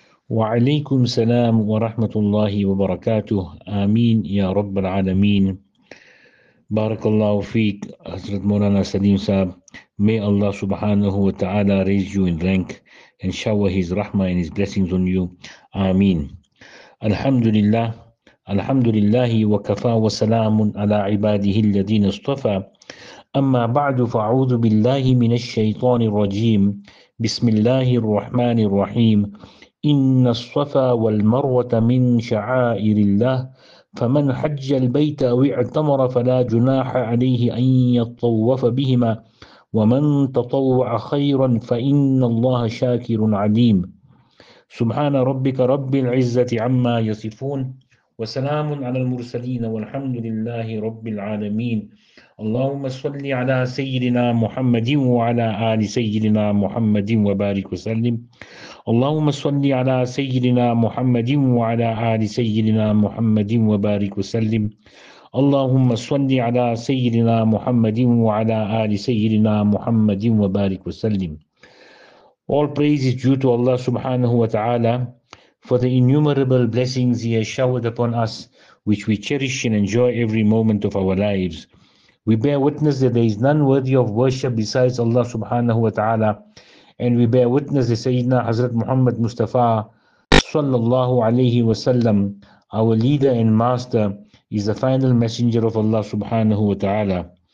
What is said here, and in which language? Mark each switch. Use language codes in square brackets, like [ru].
[ar] وعليكم السلام ورحمة الله وبركاته. آمين يا رب العالمين. بارك الله فيك حضرة مولانا سليم صاحب. [en] May Allah [ar] سبحانه وتعالى [en] raise you in rank and shower his rahmah and his blessings on you. [ar] آمين. الحمد لله الحمد لله وكفى وسلام على عباده الذين اصطفى. أما بعد، فأعوذ بالله من الشيطان الرجيم. بسم الله الرحمن الرحيم. إن الصفا والمروة من شعائر الله، فمن حج البيت أو اعتمر فلا جناح عليه أن يطوف بهما، ومن تطوع خيرا فإن الله شاكر عليم. سبحان ربك رب العزة عما يصفون، وسلام على المرسلين، والحمد لله رب العالمين. اللهم صل على سيدنا محمد وعلى آل سيدنا محمد وبارك وسلم. اللهم صل على سيدنا محمد وعلى آل سيدنا محمد وبارك وسلم. اللهم صل على سيدنا محمد وعلى آل سيدنا محمد وبارك وسلم. [en] All praise is due to Allah subhanahu wa ta'ala for the innumerable blessings He has showered upon us, which we cherish and enjoy every moment of our lives. We bear witness that there is none worthy of worship besides Allah subhanahu wa ta'ala. And we bear witness that Sayyidina Hazrat Muhammad Mustafa sallallahu alayhi wa sallam, our leader and master, is the final messenger of Allah subhanahu wa ta'ala.